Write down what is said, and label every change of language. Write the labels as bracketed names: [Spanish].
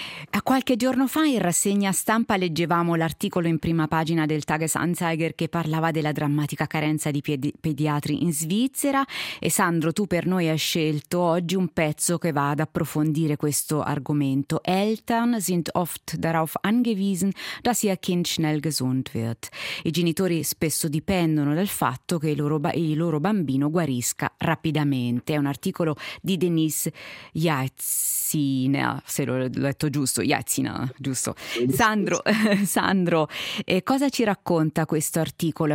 [Italian] A qualche giorno fa in rassegna stampa leggevamo l'articolo in prima pagina del Tages-Anzeiger che parlava della drammatica carenza di pediatri in Svizzera. E Sandro, tu per noi hai scelto oggi un pezzo che va ad approfondire questo argomento. [German] Eltern sind oft darauf angewiesen, dass ihr Kind schnell gesund wird. [Italian] I genitori spesso dipendono dal fatto che il loro bambino guarisca rapidamente. È un articolo di Denise Jaitsina, se l'ho letto giusto. Giusto. Sandro, cosa ci racconta questo articolo?